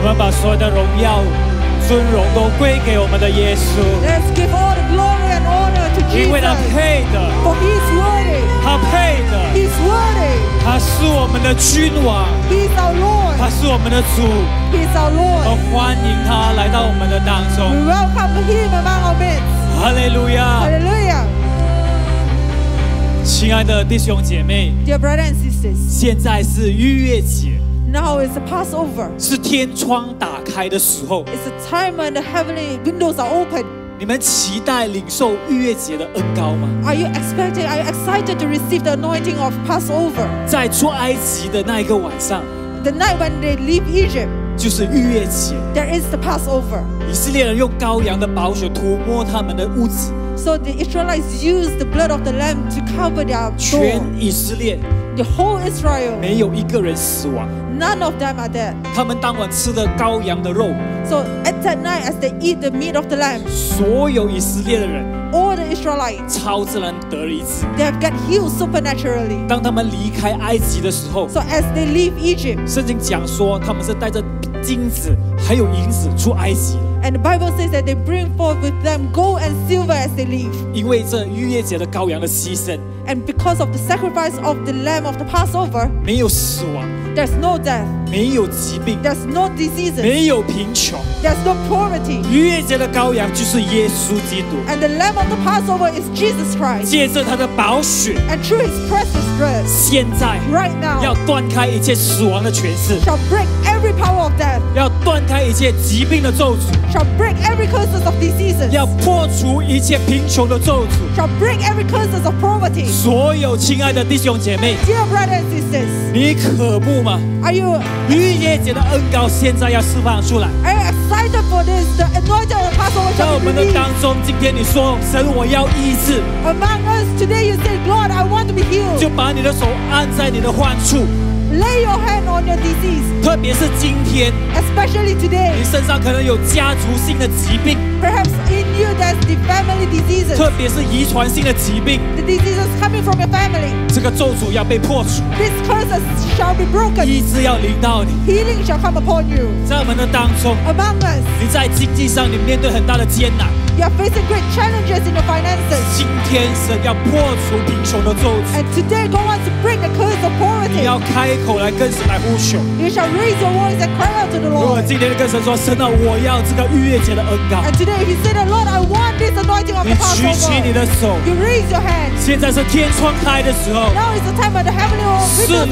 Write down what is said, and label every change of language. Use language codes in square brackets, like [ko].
[zh] 所有的荣耀尊荣都归给我们的耶稣。 [en] Let's give all the glory and honor to Jesus. [zh] 因为他配的。 [en] For he's worthy. [zh] 他配的。 [en] He's worthy. [zh] 他是我们的君王。 [en] He's our Lord. [zh] 他是我们的主。 [en] He's our Lord. [zh] 我们欢迎他来到我们的当中。 [en] We welcome him among our midst. Hallelujah. Hallelujah. [zh] 亲爱的弟兄姐妹。 [en] Dear brothers and sisters. [zh] 现在是逾越节。 [en] Now it's a Passover. [zh] 是天窗打开的时候。 [en] It's a time when the heavenly windows are open. [zh] 你们期待领受逾越节的恩膏吗？ [en] Are you expecting? Are you excited to receive the anointing of Passover? [zh] 在出埃及的那一个晚上。 [en] The night when they leave Egypt. [zh] 就是逾越节。 [en] There is the Passover. [zh] 以色列人用羔羊的宝血涂抹他们的屋子。 [en] So the Israelites used the blood of the lamb to cover their door. [zh] 全以色列。 [en] The whole Israel. [zh] 没有一个人死亡。 [en] None of them are dead. [zh] 他们当晚吃了羔羊的肉。 [en] So at that night, as they eat the meat of the lamb, [zh] 所有以色列的人 [en] all the Israelites, [zh] 超自然得了一次。 [en] They have got healed supernaturally. [zh] 当他们离开埃及的时候 [en] So as they leave Egypt, [zh] 圣经讲说他们是带着金子还有银子出埃及。 [en] And the Bible says that they bring forth with them gold and silver as they leave. [zh] 因为这逾越节的羔羊的牺牲。 [en] And because of the sacrifice of the lamb of the Passover, [zh] 没有死亡。 [en] There's no death. [zh] 没有疾病。 [en] There's no diseases. [zh] 没有贫穷。 [en] There's no poverty. [zh] 逾越节的羔羊就是耶稣基督。 [en] And the lamb of the Passover is Jesus Christ. [zh] 借着他的宝血。 [en] And through his precious blood. [zh] 现在。 [en] Right now. [zh] 要断开一切死亡的权势。 [en] Shall break every power of death. [zh] 要断开一切疾病的咒诅。 [en] Shall break every curses of diseases. [zh] 要破除一切贫穷的咒诅。 [en] Shall break every curses of poverty. [zh] 所有亲爱的弟兄姐妹。 [en] Dear brothers and sisters. [zh] 你渴慕吗？ [en] Are you, [zh] 逾越节的恩膏现在要释放出来。 [en] Are you excited for this? The anointing of Passover shall be released. [zh] 在我们的当中，今天你说，神，我要医治。 [en] Among us today, you say, Lord, I want to be healed. [zh] 就把你的手按在你的患处。 [en] Lay your hand on your disease. [zh] 特别是今天。 [en] Especially today. [zh] 你身上可能有家族性的疾病。 [en] Perhaps in you there's the family diseases. [zh] 特别是遗传性的疾病。 [en] The diseases coming from your family. [zh] 这个咒诅要被破除。 [en] This curse shall be broken. [zh] 医治要临到你。 [en] Healing shall come upon you. [zh] 在我们的当中。 [en] Among us. [zh] 你在经济上你面对很大的艰难。 [en] you are facing great challenges in your finances. [zh] 今天神要破除贫穷的咒诅。 [en] And today God wants to break the curse of poverty. [zh] 你要开口来跟神来呼求。 [en] You shall raise your voice and cry out to the Lord. [zh] 如果今天跟神说，神啊，我要这个逾越节的恩膏。 [en] And today if you say, Lord, I want this anointing of the Passover. [zh] 你举起你的手。 [en] You raise your hand. [zh] 现在是天窗开的时候。 [en] Now is the time when the heavenly windows are open.